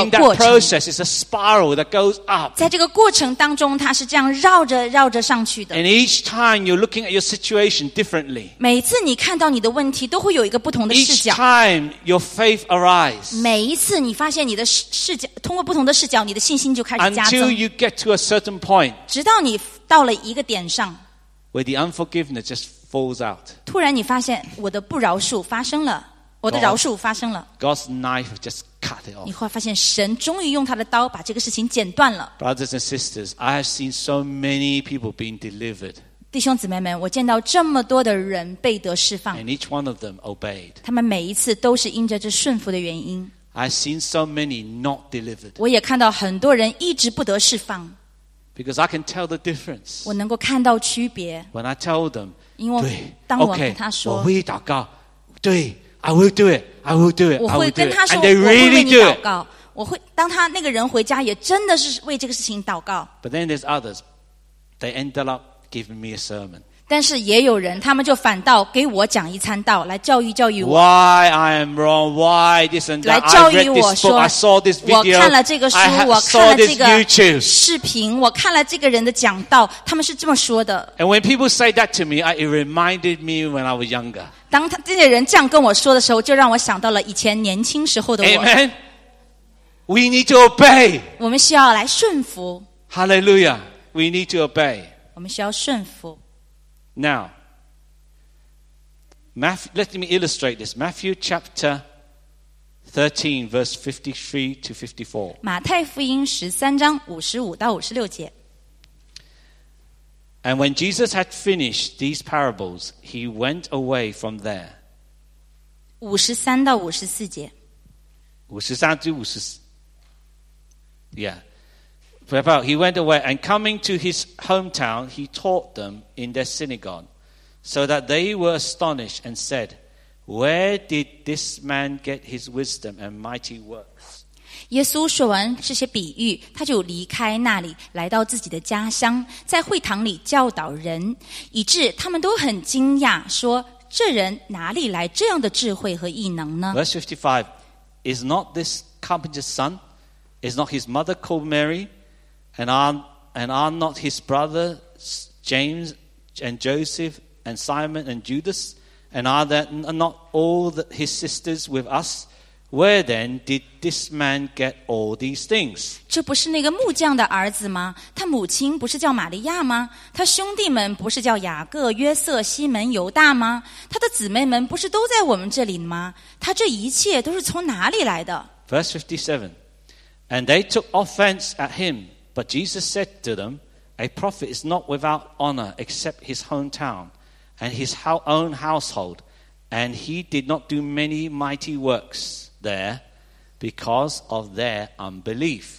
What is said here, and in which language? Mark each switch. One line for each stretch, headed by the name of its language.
English: And in that process, it's a spiral that goes up.
Chinese: 在这个过程当中，它是这样绕着绕着上去的。
English: And each time you're looking at your situation differently.
Chinese: 每次你看到你的问题，都会有一个不同的视角。
English: Each time your faith arises.
Chinese: 每一次你发现你的视角，通过不同的视角，你的信心就开始加增。
English: Until you get to a certain point.
Chinese: 直到你到了一个点上。
English: Where the unforgiveness just falls out.
Chinese: 突然你发现我的不饶恕发生了，我的饶恕发生了。
English: God's knife just cut it off.
Chinese: 你会发现神终于用他的刀把这个事情剪断了。
English: Brothers and sisters, I have seen so many people being delivered.
Chinese: 弟兄姊妹们，我见到这么多的人被得释放。
English: And each one of them obeyed.
Chinese: 他们每一次都是因着这顺服的原因。
English: I've seen so many not delivered.
Chinese: 我也看到很多人一直不得释放。
English: Because I can tell the difference.
Chinese: 我能够看到区别。
English: When I tell them,
Chinese: 因为对，当我跟他说，
English: okay,
Chinese: 我为你祷告，对
English: ，I will do it, I will do it,
Chinese: 我会跟他说，
English: and they really、
Chinese: 我会为你祷告。我会当他那个人回家，也真的是为这个事情祷告。
English: But then there's others, they ended up giving me a sermon.
Chinese: 但是也有人，他们就反倒给我讲一餐道，来教育教育我。
English: Why I am wrong? Why this and that?
Chinese: 来教育我说，
English: I saw this video,
Chinese: 我看了这个书，
English: I saw
Chinese: 我看了这个
English: YouTube
Chinese: 视频，我看了这个人的讲道，他们是这么说的。
English: And when people say that to me, it reminded me when I was younger.
Chinese: 当他这些人这样跟我说的时候，就让我想到了以前年轻时候的我。
English: Amen. We need to obey.
Chinese: 我们需要来顺服。
English: Hallelujah. We need to obey.
Chinese: 我们需要顺服。
English: Now, let me illustrate this. Matthew chapter 13, verse 53 to 54.
Chinese: 马太福音13章55到56节。
English: And when Jesus had finished these parables, he went away from there.
Chinese: 53到54节。 53到54。Yeah.
English: He went away, and coming to his hometown, he taught them in their synagogue, so that they were astonished and said, Where did this man get his wisdom and mighty works?
Chinese: 耶稣说完这些比喻，他就离开那里，来到自己的家乡，在会堂里教导人，以致他们都很惊讶，说，这人哪里来这样的智慧和异能呢？
English: Verse 55, Is not this carpenter's son? Is not his mother called Mary? And are not his brothers James and Joseph and Simon and Judas? And are there not all his sisters with us? Where then did this man get all these things?
Chinese: 这不是那个木匠的儿子吗？他母亲不是叫玛利亚吗？他兄弟们不是叫雅各、约瑟、西门、犹大吗？他的姊妹们不是都在我们这里吗？他这一切都是从哪里来的？
English: Verse 57. And they took offense at him. But Jesus said to them, A prophet is not without honor except his hometown and his own household. And he did not do many mighty works there because of their unbelief.